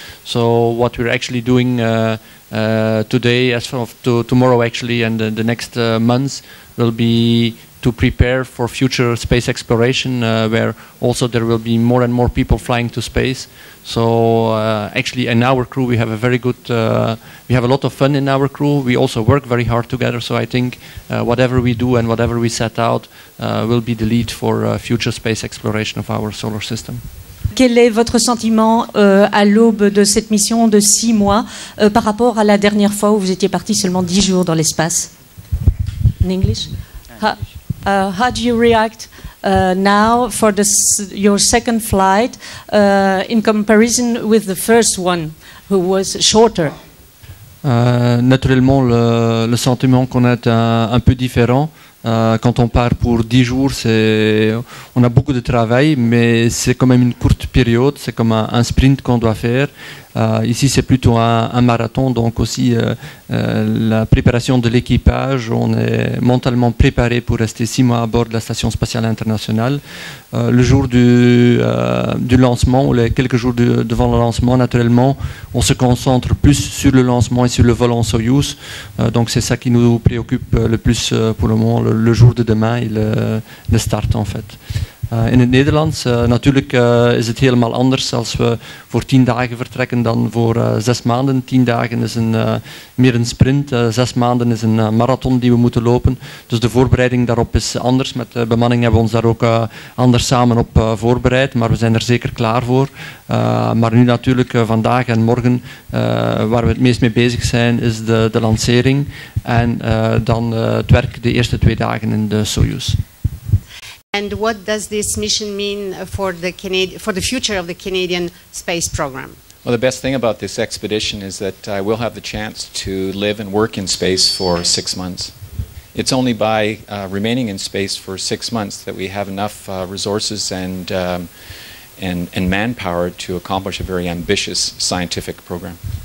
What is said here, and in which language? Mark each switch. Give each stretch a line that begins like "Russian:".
English: So what we're actually doing today, as of tomorrow actually, and the next months will be to prepare for future space exploration, where also there will be more and more people flying to space. So actually in our crew we have a very good, we have a lot of fun in our crew. We also work very hard together, so I think whatever we do and whatever we set out will be the lead for future space exploration of our solar system.
French: Quel est votre sentiment à l'aube de cette mission de 6 mois par rapport à la dernière fois où vous étiez parti seulement 10 jours dans l'espace?
English: In English? How do you react now for your second flight in comparison with the first one, who was shorter?
French: Naturellement, le sentiment qu'on a est un peu différent. Quand on part pour 10 jours, on a beaucoup de travail, mais c'est quand même une courte période, c'est comme un sprint qu'on doit faire. Ici, c'est plutôt un marathon, donc aussi la préparation de l'équipage, on est mentalement préparé pour rester 6 mois à bord de la Station Spatiale Internationale. Le jour du lancement, les quelques jours devant le lancement, naturellement, on se concentre plus sur le lancement et sur le vol en Soyouz. Donc c'est ça qui nous préoccupe le plus pour le moment, le jour de demain et le start en fait.
Dutch: In het Nederlands, natuurlijk is het helemaal anders als we voor 10 dagen vertrekken dan voor 6 maanden. 10 dagen is meer een sprint, 6 maanden is een marathon die we moeten lopen. Dus de voorbereiding daarop is anders. Met de bemanning hebben we ons daar ook anders samen op voorbereid, maar we zijn er zeker klaar voor. Maar nu natuurlijk vandaag en morgen, waar we het meest mee bezig zijn, is de lancering. En dan het werk de eerste 2 dagen in de Soyuz.
English: And what does this mission mean for the future of the Canadian space program? Well, the best thing about this expedition is that I will have the chance to live and work in space for 6 months. It's only by remaining in space for 6 months that we have enough resources and manpower to accomplish a very ambitious scientific program.